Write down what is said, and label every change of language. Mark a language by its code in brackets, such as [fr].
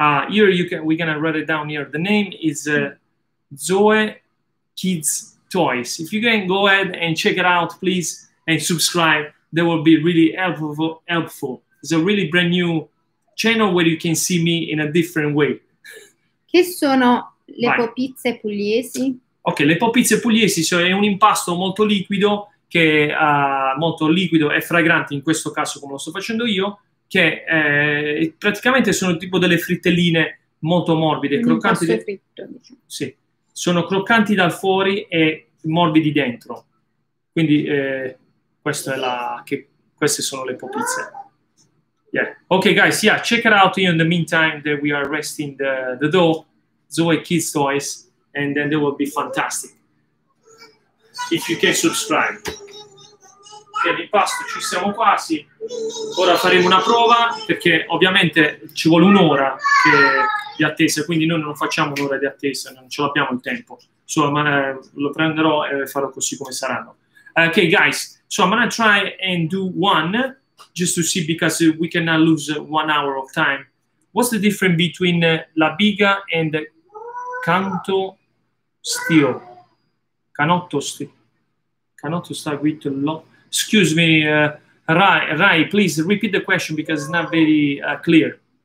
[en] Here we're gonna write it down here. The name is Zoe Kids Toys. If you can go ahead and check it out, please, and subscribe. That will be really helpful. It's a really brand new channel where you can see me in a different way. [it] Che sono le popizze pugliesi? Ok, le popizze pugliesi sono un impasto molto liquido che molto liquido e fragrante in questo caso come lo sto facendo io, che praticamente sono tipo delle frittelline molto morbide, croccanti. Sì, sono croccanti dal fuori e morbidi dentro. Quindi queste sono le popizze. [en] Yeah. Okay, guys. Yeah, check it out. In the meantime, that we are resting the dough, Zoe Kids Toys, and then they will be fantastic. If you can subscribe. Okay, [it] l'impasto ci siamo quasi. Ora faremo una prova perché ovviamente ci vuole un'ora di attesa. Quindi noi non facciamo un'ora di attesa. Non ce l'abbiamo il tempo. So, lo prenderò e farò così come saranno. [en] Okay, guys. So I'm gonna try and do one. Just to see, because we cannot lose 1 hour of time. What's the difference between la biga and the canto stio? Canotto stio. Canotto sta qui to lo. Excuse me, Rai, please repeat the question because it's not very clear.